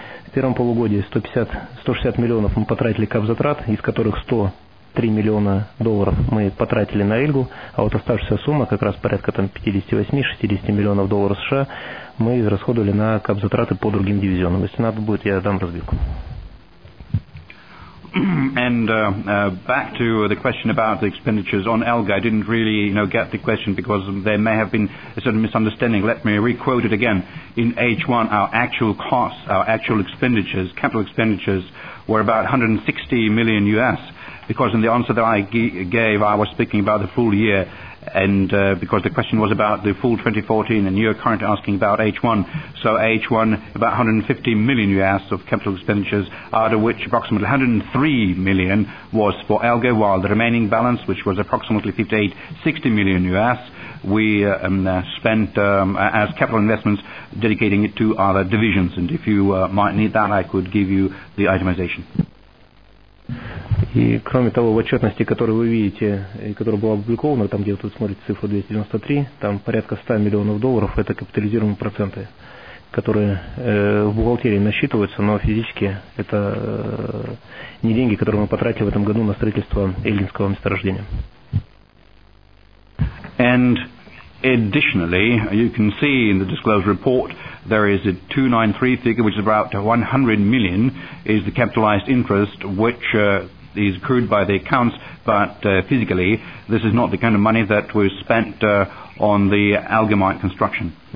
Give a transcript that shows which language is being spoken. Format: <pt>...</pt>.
<ru>В первом полугодии 160 миллионов мы потратили кап-затрат, из которых 103 миллиона долларов мы потратили на Эльгу, а вот оставшаяся сумма, как раз порядка там 58-60 миллионов долларов США, мы израсходовали на кап-затраты по другим дивизионам. Если надо будет, я дам разбивку.</ru> <en>And back to the question about the expenditures on Elga. I didn't really get the question because there may have been a certain misunderstanding. Let me re-quote it again. In H1, our actual costs, our actual expenditures, capital expenditures, were about 160 million US, because in the answer that I gave, I was speaking about the full year, and because the question was about the full 2014, and you're currently asking about H1. So H1, about 150 million US of capital expenditures, out of which approximately 103 million was for Elga, while the remaining balance, which was approximately 58-60 million US, we spent as capital investments, dedicating it to other divisions. And if you might need that, I could give you the itemization.</en> <ru>И кроме того, в отчетности, которую вы видите, и которая была опубликована, там, где вы тут смотрите цифру 293, там порядка 100 миллионов долларов, это капитализируемые проценты, которые в бухгалтерии насчитываются, но физически это не деньги, которые мы потратили в этом году на строительство Эльгинского месторождения.</ru> <en>And Additionally, you can see in the disclosed report there is a 293 figure, which is about 100 million, is the capitalized interest which is accrued by the accounts, but physically this is not the kind of money that was spent on the Algamite construction.</en>